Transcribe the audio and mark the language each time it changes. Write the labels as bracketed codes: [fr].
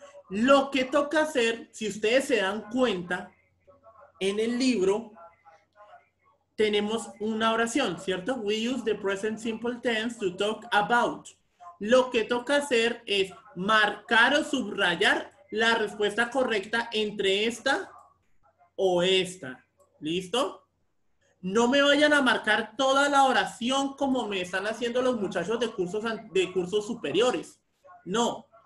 [es] Lo que toca hacer, si ustedes se dan cuenta, en el libro tenemos una oración, ¿cierto? [en] We use the present simple tense to talk about. [es] Lo que toca hacer es marcar o subrayar la respuesta correcta entre esta o esta. ¿Listo? No me vayan a marcar toda la oración como me están haciendo los muchachos de cursos superiores. No.